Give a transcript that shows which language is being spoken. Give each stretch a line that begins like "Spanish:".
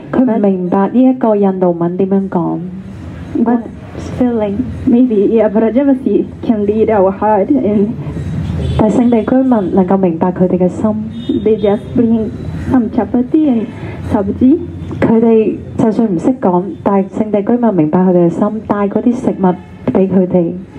Cantonese: 佢唔明白依一個印度文點樣講。
English: But feeling maybe Brajavasi can lead our heart and
Cantonese: 但聖地居民能夠明白佢哋嘅心。
English: They just bring some chapati and sabji.
Cantonese: 佢哋就算唔識講，但係聖地居民明白佢哋嘅心，帶嗰啲食物俾佢哋。